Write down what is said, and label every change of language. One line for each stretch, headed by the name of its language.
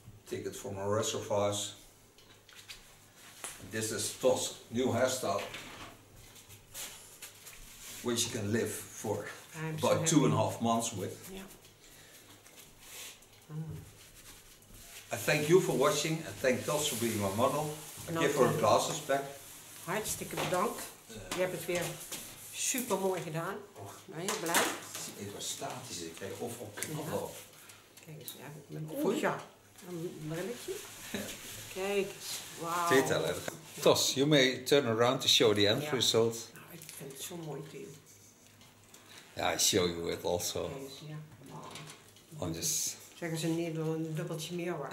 English: Take it from our reservoirs. This is TOS, new hairstyle, which you can live for about 2.5 months with. Yeah. Mm. I thank you for watching and thank TOS for being my model. I give her glasses back.
Dutch: Hartstikke bedankt. Je hebt het weer super mooi gedaan. Ben je blij? Het was statisch, ik kreeg of op knallen. Kijk eens, met een oogje. Een brilletje. Kijk eens, wauw. Dit al even.
English: TOS, you may turn around to show the end result.
Dutch: Nou, ik vind het zo'n mooi deal.
English: Ja, I show you it also.
Dutch: Kijk eens, ja. Wow. Zeggen ze in Nederland een dubbeltje meer waard,